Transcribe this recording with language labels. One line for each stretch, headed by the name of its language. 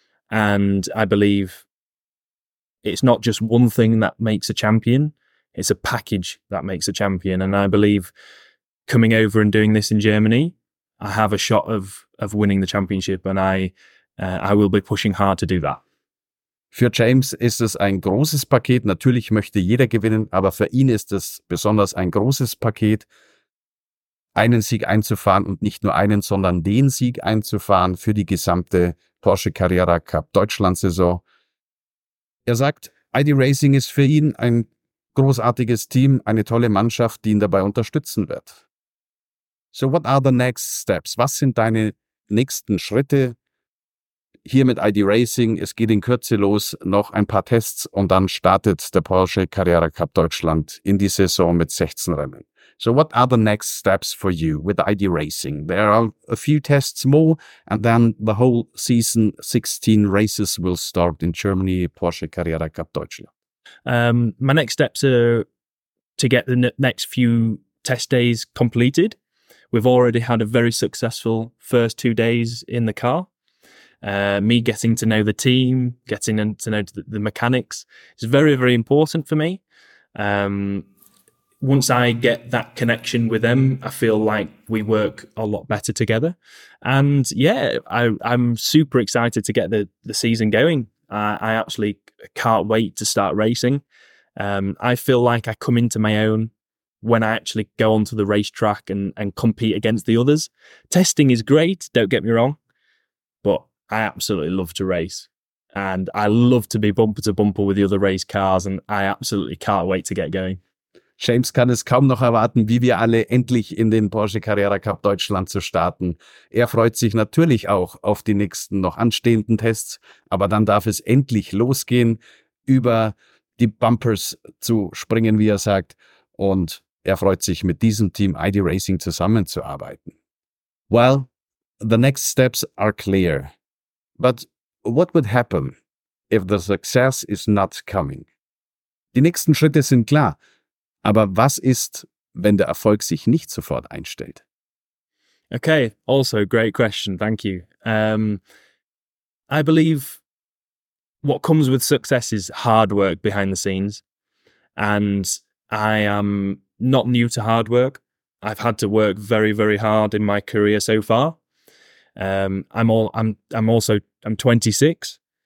English: And I believe it's not just one thing that makes a champion. It's a package that makes a champion. And I believe coming over and doing this in Germany, I have a shot of winning the championship. And I will be pushing hard to do that.
German: Für James ist es ein großes Paket. Natürlich möchte jeder gewinnen, aber für ihn ist es besonders ein großes Paket, einen Sieg einzufahren und nicht nur einen, sondern den Sieg einzufahren für die gesamte Porsche Carrera Cup Deutschland Saison. Er sagt, ID Racing ist für ihn ein großartiges Team, eine tolle Mannschaft, die ihn dabei unterstützen wird.
English: So what are the next steps?
German: Was sind deine nächsten Schritte hier mit ID Racing, es geht in Kürze los, noch ein paar Tests und dann startet der Porsche Carrera Cup Deutschland in die Saison mit 16 Rennen.
English: So what are the next steps for you with ID Racing? There are a few tests more and then the whole season 16 races will start in Germany, Porsche Carrera Cup Deutschland. My next steps are to get the next few test days completed. We've already had a very successful first 2 days in the car. Me getting to know the team, getting to know the mechanics is very, very important for me. Once I get that connection with them, I feel like we work a lot better together. And yeah, I'm super excited to get the season going. I actually can't wait to start racing. I feel like I come into my own when I actually go onto the racetrack and compete against the others. Testing is great, don't get me wrong, but I absolutely love to race. And I love to be bumper to bumper with the other race cars, and I absolutely can't wait to get going.
German: James kann es kaum noch erwarten, wie wir alle endlich in den Porsche Carrera Cup Deutschland zu starten. Er freut sich natürlich auch auf die nächsten noch anstehenden Tests, aber dann darf es endlich losgehen, über die Bumpers zu springen, wie er sagt. Und er freut sich, mit diesem Team ID Racing zusammenzuarbeiten.
English: Well, the next steps are clear. But what would happen if the success is not coming?
German: Die nächsten Schritte sind klar. Aber was ist, wenn der Erfolg sich nicht sofort einstellt?
English: Okay, also great question. Thank you. I believe what comes with success is hard work behind the scenes. And I am not new to hard work. I've had to work very, very hard in my career so far. I'm 26.